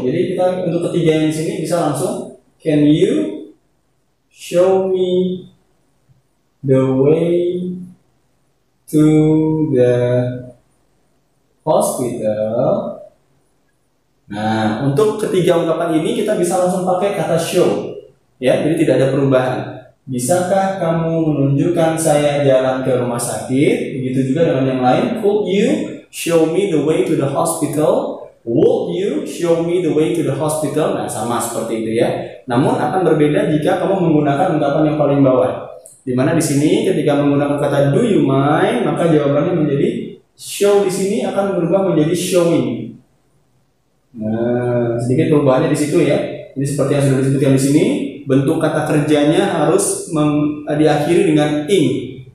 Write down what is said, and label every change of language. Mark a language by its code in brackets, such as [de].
[id] Jadi kita untuk ketiga yang di sini bisa langsung [en] can you show me the way to the hospital. [id] Nah, untuk ketiga ungkapan ini kita bisa langsung pakai kata show ya, jadi tidak ada perubahan. Bisakah kamu menunjukkan saya jalan ke rumah sakit? Begitu juga dengan yang lain. [en] Could you show me the way to the hospital? Would you show me the way to the hospital? [id] Nah, sama seperti itu ya. Namun akan berbeda jika kamu menggunakan ungkapan yang paling bawah. Di mana di sini ketika menggunakan kata do you mind, maka jawabannya menjadi show di sini akan berubah menjadi showing. Nah, sedikit perubahannya di situ ya. Ini seperti yang sudah disebutkan di sini, bentuk kata kerjanya harus diakhiri dengan ing.